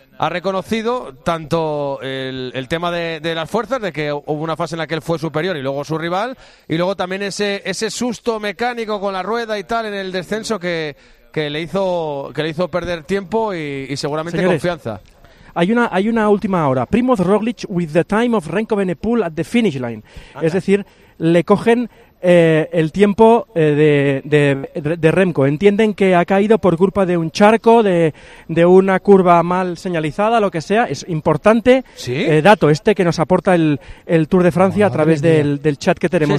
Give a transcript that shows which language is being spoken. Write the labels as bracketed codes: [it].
[es] Ha reconocido tanto el tema de las fuerzas, de que hubo una fase en la que él fue superior y luego su rival, y luego también ese susto mecánico con la rueda y tal en el descenso que le hizo perder tiempo y seguramente. Señores, confianza. Hay una última hora. [en] Primoz Roglic with the time of Remco Evenepoel at the finish line. [es] Anda. Es decir, le cogen el tiempo de Remco. Entienden que ha caído por culpa de un charco, de una curva mal señalizada, lo que sea. Es importante. ¿Sí? Dato este que nos aporta el Tour de Francia. Madre, a través del chat que tenemos.